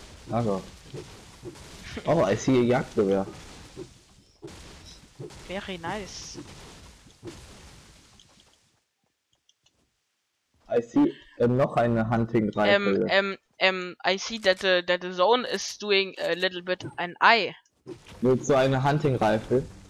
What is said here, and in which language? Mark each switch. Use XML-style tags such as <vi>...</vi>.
<de>Also.</de> <en>Oh, I see a Jagdgewehr. Very nice. I see.</en> <de>Noch eine Hunting Rifle.</de> <en>I see that the zone is doing a little bit an eye.</en> <de>Willst du eine Hunting Rifle?</de>